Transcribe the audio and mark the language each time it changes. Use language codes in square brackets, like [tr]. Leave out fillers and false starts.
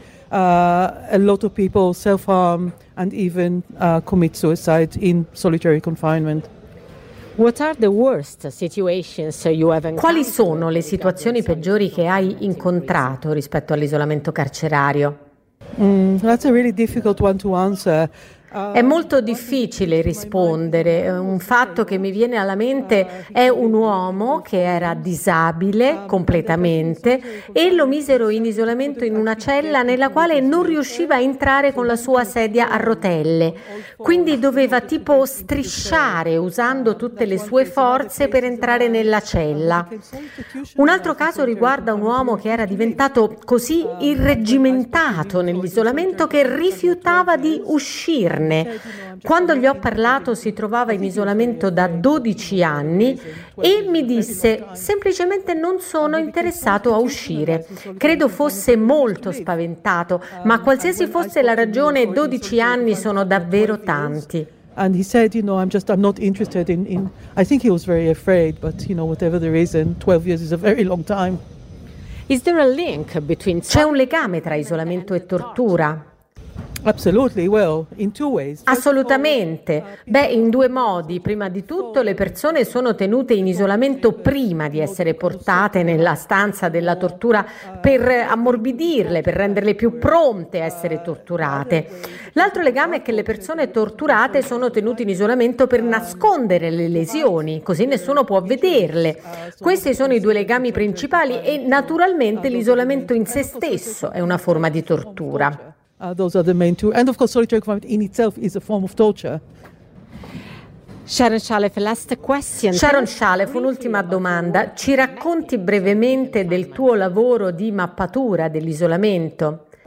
[en] A lot of people self-harm and even commit suicide in solitary confinement. What are the worst situations you have encountered? [it] Quali sono le situazioni peggiori che hai incontrato rispetto all'isolamento carcerario? [en] That's a really difficult one to answer. [it] È molto difficile rispondere. Un fatto che mi viene alla mente è un uomo che era disabile completamente e lo misero in isolamento in una cella nella quale non riusciva a entrare con la sua sedia a rotelle. Quindi doveva tipo strisciare usando tutte le sue forze per entrare nella cella. Un altro caso riguarda un uomo che era diventato così irreggimentato nell'isolamento che rifiutava di uscire. Quando gli ho parlato si trovava in isolamento da 12 anni e mi disse: semplicemente non sono interessato a uscire. Credo fosse molto spaventato, ma qualsiasi fosse la ragione, 12 anni sono davvero tanti. [en] And he said, you know, I'm not interested in I think he was very afraid, but you know, whatever the reason, 12 years is a very long time. Is there a link between [it] C'è un legame tra isolamento e tortura? [en] Absolutely, well, in two ways. [it] Assolutamente. Beh, in due modi. Prima di tutto, le persone sono tenute in isolamento prima di essere portate nella stanza della tortura per ammorbidirle, per renderle più pronte a essere torturate. L'altro legame è che le persone torturate sono tenute in isolamento per nascondere le lesioni, così nessuno può vederle. Questi sono i due legami principali e naturalmente l'isolamento in se stesso è una forma di tortura. [en] Those are the main two. And of course, solitary confinement in itself is a form of torture. Sharon Shalev, last question. [it] Sharon Shalev, un'ultima domanda. Ci racconti brevemente del tuo lavoro di mappatura dell'isolamento?